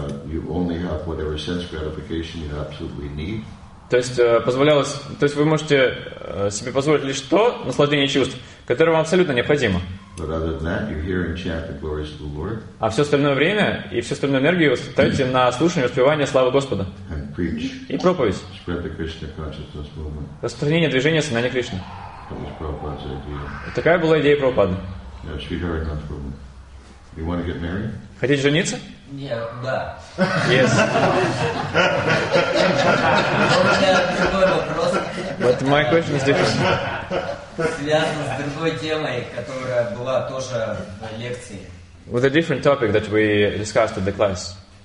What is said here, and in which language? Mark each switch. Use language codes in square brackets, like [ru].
[en] You only have whatever sense gratification you absolutely need. [ru] То есть вы можете себе позволить лишь то наслаждение чувств, которое вам абсолютно необходимо. [en] But other than that, you hear and chant the glories of the Lord. [ru] А все остальное время и всю остальную энергию тратите на слушание и воспевание славы Господа. [en] And preach. [ru] И проповедь. [en] Spread the Krishna consciousness movement. [ru] Распространение движения сознания Кришны. [en] That was Prabhupada's idea. [ru] Такая была идея Прабхупады. [en] Yes, we heard that from him. You want to get married? [ru] Хотите жениться? [en] Yeah, да. Yes. [ru] У меня другой вопрос. [en] But my question is different. [ru] Связан с другой темой, которая была тоже на лекции. [en] With a different topic that we discussed in the class.